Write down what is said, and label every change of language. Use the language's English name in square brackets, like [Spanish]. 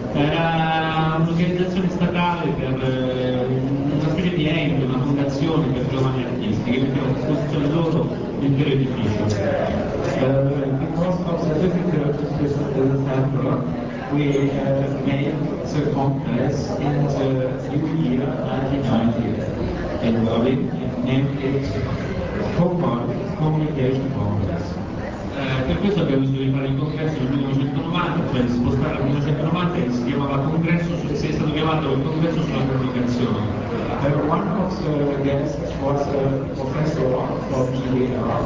[Italian] Era un'organizzazione statale per una serie di enti, una fondazione per giovani artisti che mettevano a disposizione loro l'intero edificio. [English] Because of the difficulties with the center, we made the congress in the new year 1990 and we named it Communication Congress. [Italian] Per questo abbiamo deciso di fare il congresso nel 1990, cioè di spostare al 1990 e si chiamava congresso, si è stato chiamato il congresso sulla comunicazione. [English] One of the guests was a professor from GDA.